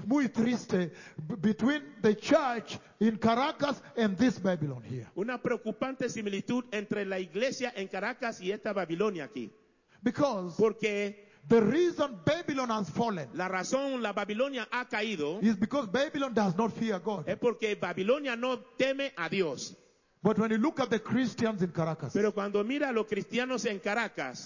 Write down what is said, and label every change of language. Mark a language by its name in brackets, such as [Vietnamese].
[Spanish] muy triste [English] between the church in Caracas and this Babylon here. [Spanish] Una preocupante similitud entre la iglesia en Caracas y esta Babilonia aquí. [English] Because [Spanish] porque [English] the reason Babylon has fallen, [Spanish] la razón la Babilonia ha caído, [English] is because Babylon does not fear God. [Spanish] Es porque Babilonia no teme a Dios. [English] But when you look at the Christians in Caracas, [Spanish] pero cuando mira a los cristianos en Caracas,